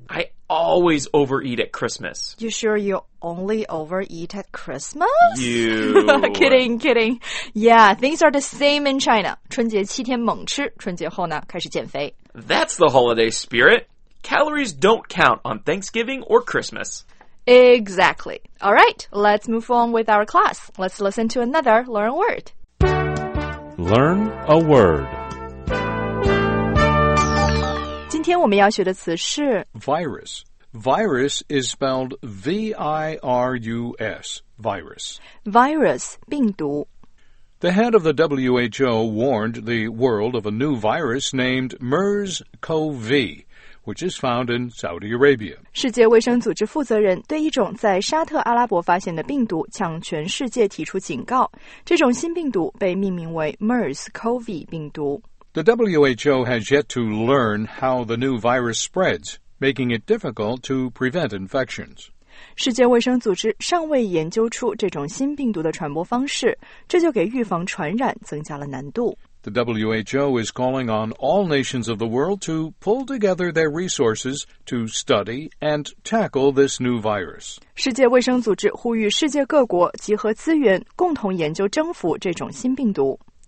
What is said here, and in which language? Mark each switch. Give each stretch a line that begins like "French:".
English: I always overeat at Christmas. You sure you only overeat at Christmas? You. kidding, kidding. Yeah, things are the same in China.
Chinese: 春节七天猛吃,春节后呢,开始减肥。
English: That's the holiday spirit. Calories don't count on Thanksgiving or Christmas. Exactly. All right, let's move on with our class. Let's listen to another Learn a Word. Learn a Word.
Chinese: 今天我们要学的词是
English: virus. Virus is spelled V-I-R-U-S, virus. Virus, 病毒. The head of the WHO warned the world of a new virus named MERS-CoV, which is found in Saudi Arabia.
Chinese: 世界卫生组织负责人对一种在沙特阿拉伯发现的病毒向全世界提出警告。这种新病毒被命名为 MERS-CoV 病毒。
English: The WHO has yet to learn how the new virus spreads, making it difficult to prevent infections.
Chinese: 世界卫生组织尚未研究出这种新病毒的传播方式，这就给预防传染增加了难度。
English: The WHO is calling on all nations of the world to pull together their resources to study and tackle this new virus.
Chinese: 世界卫生组织呼吁世界各国集合资源，共同研究征服这种新病毒。